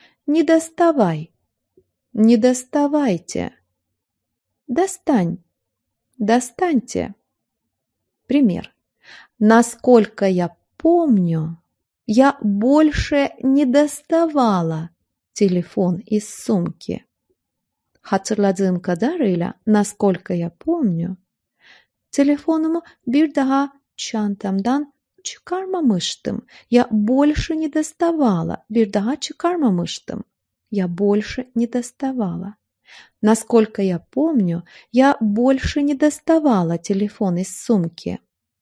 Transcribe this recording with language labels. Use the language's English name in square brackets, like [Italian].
[Russian] Не доставай, не доставайте. Достань, достаньте. Пример. Насколько я помню, я больше не доставала телефон из сумки. [Turkish] Hatırladığım kadarıyla, [Russian] насколько я помню, [Turkish] телефонumu bir daha çantamdan çıkarmamıştım. [Russian] Я больше не доставала. [Turkish] Bir daha çıkarmamıştım. [Russian] Я больше не доставала. Насколько я помню, я больше не доставала телефон из сумки.